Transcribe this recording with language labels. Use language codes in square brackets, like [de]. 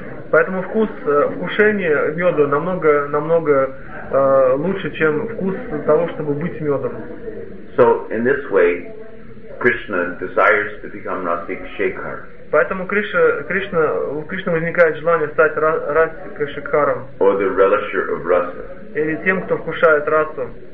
[ru] Поэтому вкус вкушения меда намного намного лучше, чем вкус того, чтобы быть медом. [en] So in this way, Krishna desires to become Rasik Shekhar. [ru] Поэтому у Кришны возникает желание стать Расика Шекхаром. [en] Or the relisher of rasa. [ru] Или тем, кто вкушает расу.